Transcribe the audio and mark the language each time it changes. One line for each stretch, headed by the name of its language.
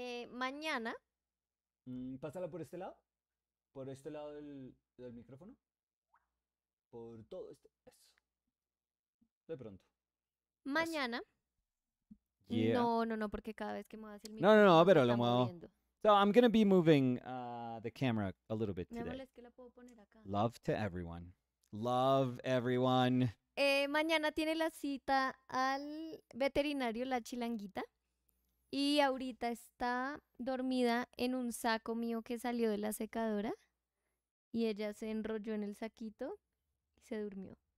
Spanish: Mañana. Pásala por este lado. Por este lado del micrófono. Por todo este. Eso. De pronto. Mañana.
English: Yeah.
Spanish: No, porque cada vez que me voy a hacer el micrófono. No, pero lo muevo.
English: So I'm going to be moving the camera a little bit today. Love to everyone. Love everyone.
Spanish: Mañana tiene la cita al veterinario, la chilanguita. Y ahorita está dormida en un saco mío que salió de la secadora. Y ella se enrolló en el saquito y se durmió.